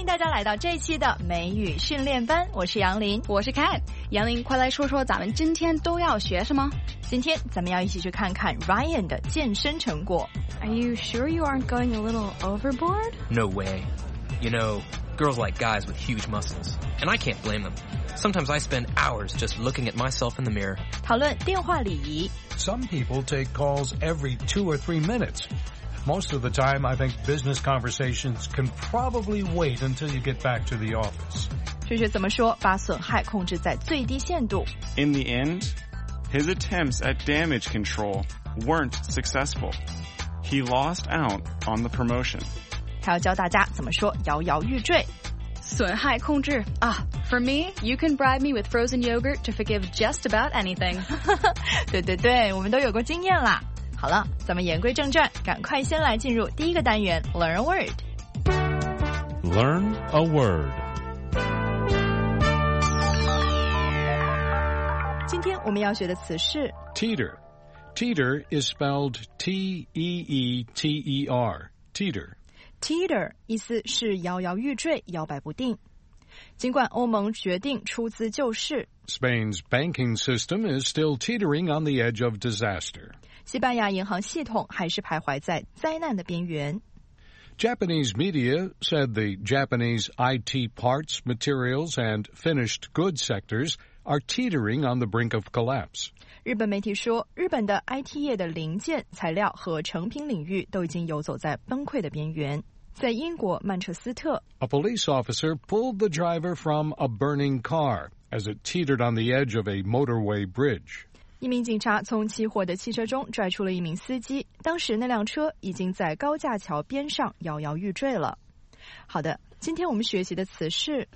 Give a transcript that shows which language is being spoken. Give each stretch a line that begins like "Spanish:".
Chinese: 来到这一期的美语训练班，我是杨林，我是 Kat。杨林，快来说说咱们今天都要学什么。今天咱们要一起去看看 Ryan 的健身成果。
English: Are you sure you aren't going a little overboard? No way. You know, girls like guys with huge muscles, and I can't blame them. Sometimes I spend hours just looking at myself in the mirror.
Chinese: 讨论电话礼仪。
English: Some people take calls every 2 or 3 minutes. Most of the time, I think business conversations can probably wait until you get back to the office.
Chinese: 学学怎么说，把损害控制在最低限度。
English: In the end,His attempts at damage control weren't successful. He lost out on the promotion.
Chinese: 他要教大家怎么说摇摇欲坠。损害控制啊。
English: For me, you can bribe me with frozen yogurt to forgive just about anything.
Chinese: 对对对，我们都有过经验啦。好了，咱们言归正传，赶快先来进入第一个单元
English: Learn a Word. Learn a Word.
Chinese: 今天我们要学的词是
English: teeter. Teeter is spelled T-E-E-T-E-R. Teeter.
Chinese: Teeter 意思是摇摇欲坠，摇摆不定。尽管欧盟决定出资救市，
English: Spain's banking system is still teetering on the edge of disaster.
Chinese: 西班牙银行系统还是徘徊在灾难的边缘。
English: Japanese media said the Japanese IT parts, materials, and finished goods sectors. Are teetering on the brink of collapse.
Chinese: 日本媒体说，日本的 IT 业的零件、材料和成品领域都已经游走在崩溃的边缘。在英国曼彻斯特，
English: A police officer pulled the driver from a burning car as it teetered on the edge of a motorway bridge.
Chinese: 一名警察从起火的汽车中拽出了一名司机，当时那辆车已经在高架桥边上摇摇欲坠了。好的，今天我们学习的词是